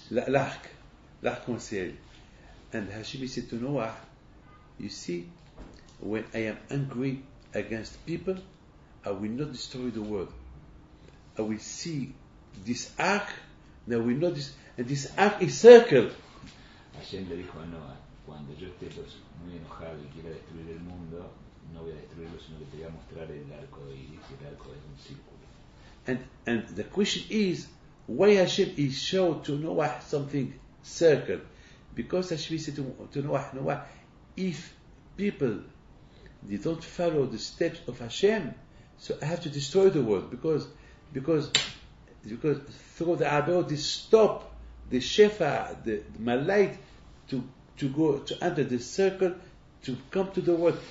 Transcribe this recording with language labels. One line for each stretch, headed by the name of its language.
French: L'arc. L'arc-en-ciel.
English: And Hashem said to Noah, you see, when I am angry against people, I will not destroy the world. I will see this ark, and I will not and this ark is circled.
Spanish: Hashem le dijo a Noah, cuando yo esté muy enojado y quiera destruir el mundo, no voy a destruirlo, sino que te voy a mostrar el arco y dice el arco es un círculo.
English: And the question is, why Hashem is showed to Noah something circled? Because Hashem said to Noah, Noah, if people they don't follow the steps of Hashem, so I have to destroy the world because through the Abel they stop the Shefa, the Malite to go to enter the circle to come to the world.